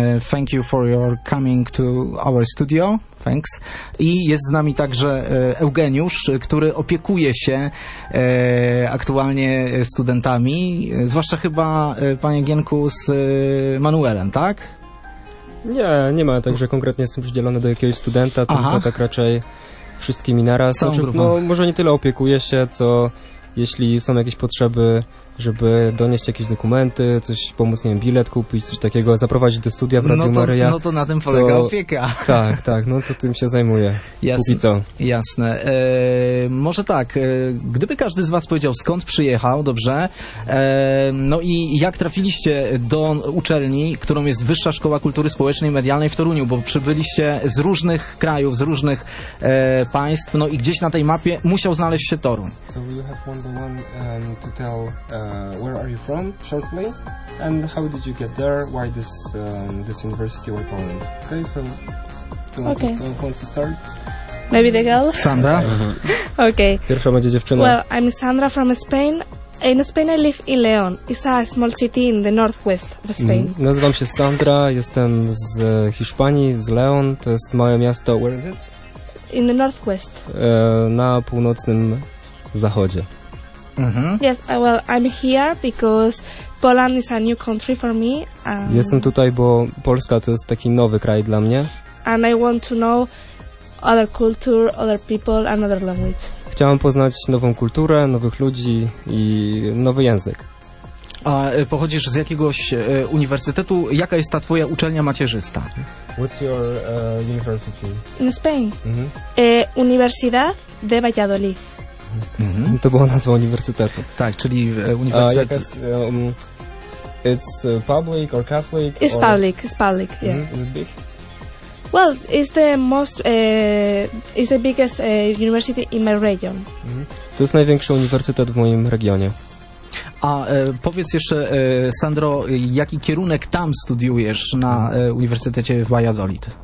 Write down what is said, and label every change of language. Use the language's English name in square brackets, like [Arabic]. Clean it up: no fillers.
[English] Thank you for your coming to our studio. Thanks. [Polish] I jest z nami także Eugeniusz, który opiekuje się aktualnie studentami. Zwłaszcza chyba, panie Gienku, z Manuelem, tak? Nie ma tak, że konkretnie jestem przydzielony do jakiegoś studenta, tylko tak raczej wszystkimi naraz. Znaczy, no, może nie tyle opiekuję się, co jeśli są jakieś potrzeby żeby donieść jakieś dokumenty, coś pomóc, nie wiem, bilet kupić, coś takiego, zaprowadzić do studia w Radiu Maryja. No to na tym polega opieka. Tak, tak, no to tym się zajmuję. Jasne. Póki co. Jasne. Może tak, gdyby każdy z was powiedział, skąd przyjechał, dobrze, no i jak trafiliście do uczelni, którą jest Wyższa Szkoła Kultury Społecznej i Medialnej w Toruniu, bo przybyliście z różnych krajów, z różnych państw, no i gdzieś na tej mapie musiał znaleźć się Toruń. [English] So we have one by one to tell where are you from shortly and how did you get there, why this this university, why Poland. Okay, so who wants to start? Maybe the girl? Sandra. Okay. [Polish] Pierwsza będzie dziewczyna. [English] Well, I'm Sandra from Spain. In Spain I live in León. It's a small city in the northwest of Spain. Mm-hmm. [Polish] Nazywam się Sandra, jestem z Hiszpanii, z León. To jest małe miasto. [English] Where is it? In the northwest. [Polish] Na północnym zachodzie. Mm-hmm. [English] Yes, well, I'm here because Poland is a new country for me. [Polish] Jestem tutaj, bo Polska to jest taki nowy kraj dla mnie. [English] And I want to know other culture, other people, another language. [Polish] Chciałam poznać nową kulturę, nowych ludzi i nowy język. A pochodzisz z jakiegoś uniwersytetu? Jaka jest ta twoja uczelnia macierzysta? [English] What's your university? In Spain. Mm-hmm. Universidad de Valladolid. Mm-hmm. [Polish] To była nazwa uniwersytetu. Tak, czyli uniwersytet. Jaka jest, [English] it's public or Catholic? It's or... public, it's public, yeah. Mm-hmm. Is it big? Well, it's the most, it's the biggest university in my region. [Polish] To jest największy uniwersytet w moim regionie. A powiedz jeszcze, Sandro, jaki kierunek tam studiujesz na Uniwersytecie w Valladolid?